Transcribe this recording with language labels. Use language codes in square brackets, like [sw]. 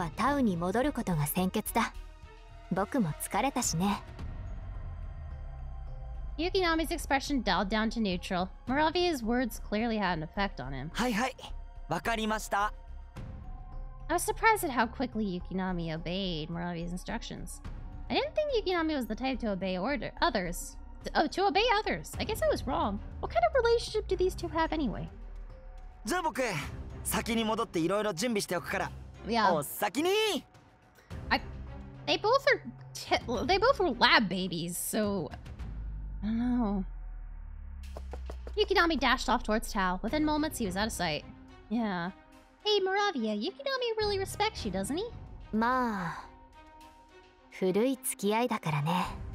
[ja] 今はタウに戻ることが先決だ. 僕も疲れたしね. [en] Yukinami's expression dialed down to neutral. Moravia's words clearly had an effect on him. [ja] はいはい、わかりました。 [en] I was surprised at how quickly Yukinami obeyed Moravia's instructions. I didn't think Yukinami was the type to obey others. To obey others. I guess I was wrong. What kind of relationship do these two have anyway? [ja] じゃあ僕、先に戻っていろいろ準備しておくから。お先に! [en] They both were lab babies, so... I don't know. Yukinami dashed off towards Tao. Within moments, he was out of sight. Yeah. Hey, Moravia, Yukinami really respects you, doesn't he? [ja] まあ、古い付き合いだからね。